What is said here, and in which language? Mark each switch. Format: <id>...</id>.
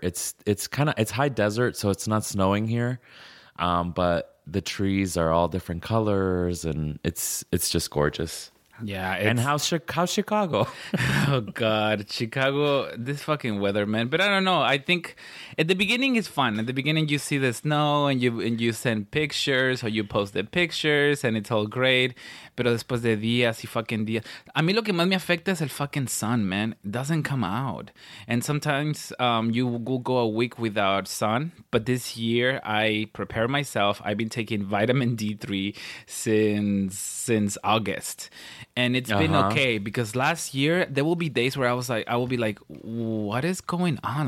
<en>It's high desert, so it's not snowing here. But the trees are all different colors, and it's just gorgeous. Yeah, and how's Chicago? Oh God, Chicago! This fucking weather, man. But I don't know. I think at the beginning it's fun. At the beginning you see the snow and you send pictures or you post the pictures and it's all great.</en> <es>Pero después de días y fucking días, a mí lo que más me afecta es el fucking</es> <en>sun, man. It doesn't come out, and sometimes you will go a week without sun. But this year I prepare myself. I've been taking vitamin D3 since August. And it's been okay, because last year there will be days where I was like, I will be like, what is going on?</en>